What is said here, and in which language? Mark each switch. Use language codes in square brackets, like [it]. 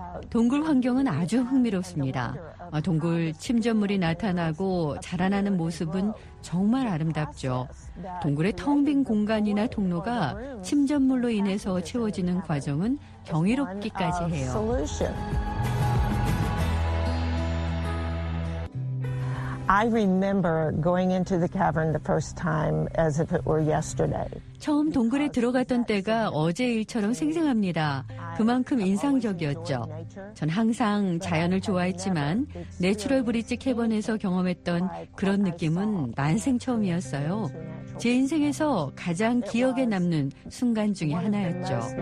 [ko] 동굴 환경은 아주 흥미롭습니다. 동굴 침전물이 나타나고 자라나는 모습은 정말 아름답죠. 동굴의 텅 빈 공간이나 통로가 침전물로 인해서 채워지는 과정은 경이롭기까지 해요. [en] I remember going into the cavern the first time as if it were yesterday. [ko] 처음 동굴에 들어갔던 때가 어제 일처럼 생생합니다. 그만큼 인상적이었죠. 전 항상 자연을 좋아했지만 내추럴 브릿지 캐번에서 경험했던 그런 느낌은 만생 처음이었어요. 제 인생에서 가장 기억에 남는 순간 중에 하나였죠.